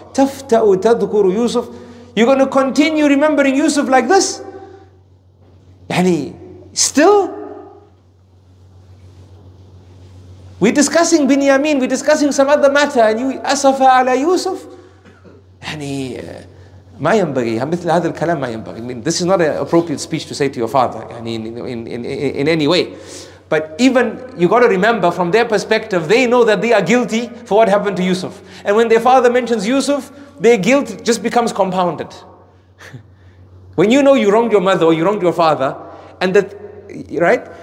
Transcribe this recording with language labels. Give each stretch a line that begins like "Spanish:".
Arabic: تَفْتَأُ تَذْكُرُ يُوسُفْ.
English: You're going to continue remembering Yusuf like this? يعني, still? We're discussing Binyamin, we're discussing some other matter, and you,
Arabic: أَصَفَ عَلَى يُوسُفْ. يعني, ما ينبغي مثل هذا الكلام ما ينبغي.
English: I mean, this is not an appropriate speech to say to your father. I mean, in any way. But even you got to remember from their perspective, they know that they are guilty for what happened to Yusuf. And when their father mentions Yusuf, their guilt just becomes compounded. When you know you wronged your mother or you wronged your father, and that, right?